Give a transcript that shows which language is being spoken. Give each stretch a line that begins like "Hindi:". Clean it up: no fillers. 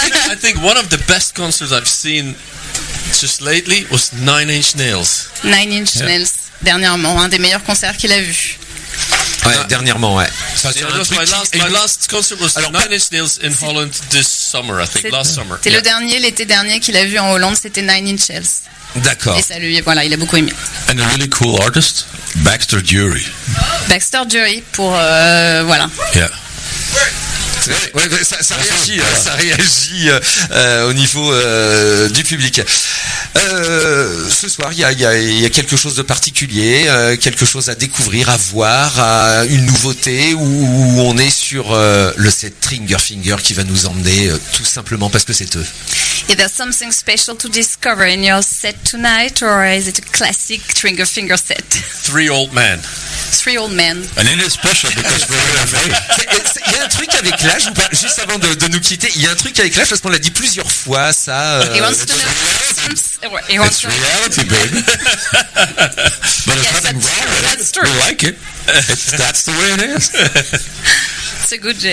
English: I think one of the best concerts I've seen just lately was Nine Inch Nails.
French: Nine Inch Nails, dernièrement, un des meilleurs concerts qu'il a vu. Ouais, dernièrement, ouais.
English: My last concert was Nine Inch Nails in Holland this summer, I think, last summer.
French: C'était le dernier, l'été dernier qu'il a vu en Hollande, c'était Nine Inch Nails. D'accord. Et ça lui, voilà, il a beaucoup aimé.
English: And a really cool artist, Baxter Dury.
French: Baxter Dury pour, voilà.
English: Yeah.
French: Ouais, ça réagit, hein, ça réagit au niveau du public. Ce soir, il y a quelque chose de particulier, quelque chose à découvrir, à voir, une nouveauté où on est sur le set Triggerfinger qui va nous emmener tout simplement parce que c'est eux.
English: Is there something special to discover in your set tonight, or is it a classic Triggerfinger set? Three old men. And it is special because we're in LA.
French: Il y a un truc avec l'âge, juste avant de nous quitter, il y a un truc avec l'âge parce qu'on l'a dit plusieurs fois, ça.
English: He wants to know. It's reality, baby. But it's nothing wrong with it. That's true. We like it. That's the way it is.
French: C'est good.